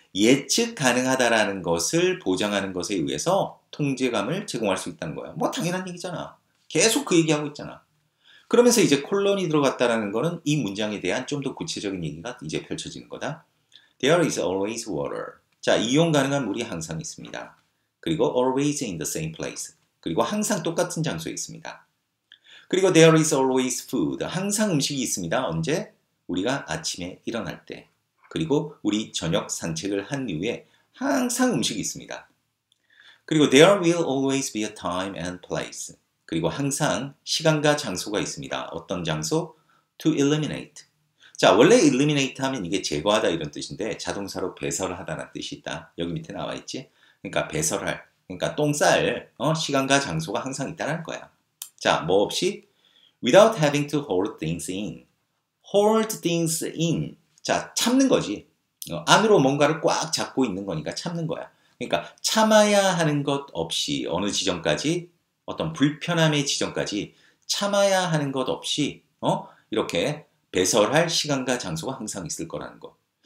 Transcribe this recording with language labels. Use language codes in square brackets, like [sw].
[ko] 예측 가능하다라는 것을 보장하는 것에 의해서 통제감을 제공할 수 있다는 거야. 뭐 당연한 얘기잖아. 계속 그 얘기하고 있잖아. 그러면서 이제 콜론이 들어갔다라는 거는 이 문장에 대한 좀 더 구체적인 얘기가 이제 펼쳐지는 거다. [en] There is always water. [ko] 자, 이용 가능한 물이 항상 있습니다. [en] 그리고 always in the same place. [ko] 그리고 항상 똑같은 장소에 있습니다. [en] 그리고 there is always food. [ko] 항상 음식이 있습니다. 언제? 우리가 아침에 일어날 때. 그리고 우리 저녁 산책을 한 이후에 항상 음식이 있습니다. [en] 그리고 there will always be a time and place. [ko] 그리고 항상 시간과 장소가 있습니다. 어떤 장소? [en] To eliminate. [ko] 자, 원래 illuminate 하면 이게 제거하다 이런 뜻인데 자동사로 배설하다는 뜻이 있다. 여기 밑에 나와 있지? 그러니까 배설할, 그러니까 똥쌀, 시간과 장소가 항상 있다는 거야. 자, 뭐 없이? [en] Without having to hold things in. Hold things in. [ko] 자, 참는 거지. 안으로 뭔가를 꽉 잡고 있는 거니까 참는 거야. 그러니까 참아야 하는 것 없이 어느 지점까지, 어떤 불편함의 지점까지 참아야 하는 것 없이 이렇게 배설할 시간과 장소가 항상 있을 거라는 거.